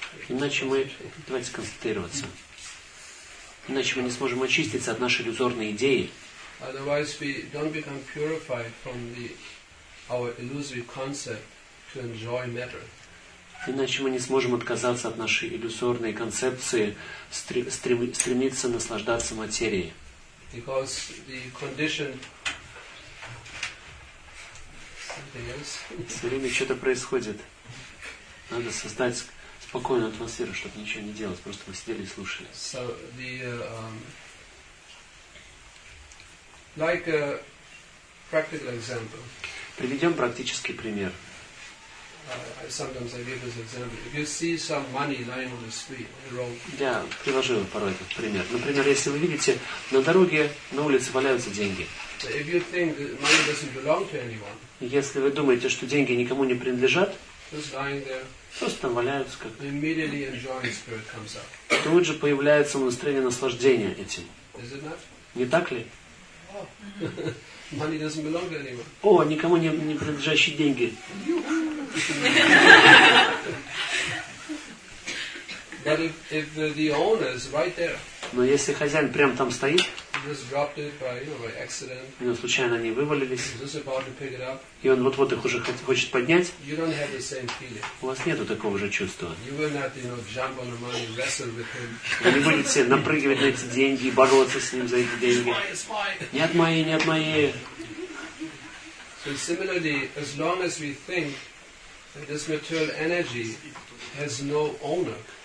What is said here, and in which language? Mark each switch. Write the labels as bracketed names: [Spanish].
[Russian] Иначе мы, давайте сконцентрироваться. Иначе мы не сможем очиститься от нашей иллюзорной идеи. [English] Otherwise we don't become purified from the our illusory concept to enjoy matter. [Russian] Иначе мы не сможем отказаться от нашей иллюзорной концепции стремиться наслаждаться материей. [English] Because the condition. [Russian] Все время что-то происходит. Надо создать спокойную атмосферу, чтобы ничего не делать, просто мы сидели и слушали. [English] So the like a practical example. [Russian] Приведем практический пример. [English] Sometimes I give this example. If you see some money lying on the street, on the road. [Russian] Я приложил порой этот пример. Например, если вы видите на дороге, на улице валяются деньги. [English] If you think money doesn't belong to anyone. [Russian] Если вы думаете, что деньги никому не принадлежат. [English] Just lying there. [Russian] Просто там валяются, как. [English] Immediately enjoying spirit comes up. [Russian] Тут же появляется настроение наслаждения этим. [English] Is it not? [Russian] Не так ли? [English] Oh. Money doesn't belong anymore. [Russian] О, никому не принадлежащие деньги. [English] But if the owner is right there. [Russian] Но если хозяин прямо там стоит, [English] just dropped it by, you know, by accident. [Russian] У него случайно они вывалились, [English] just about to pick it up. [Russian] И он вот-вот их уже хочет поднять, [English] you don't have the same feeling. [Russian] У вас нету такого же чувства. [English] You will not, you know, jump on the money, wrestle with him. [Russian] Вы не будете напрыгивать на эти деньги и бороться с ним за эти деньги. [English] It's my. [Russian] Нет, мои, нет, мои. [English] So similarly, as long as we think that this material energy has no owner.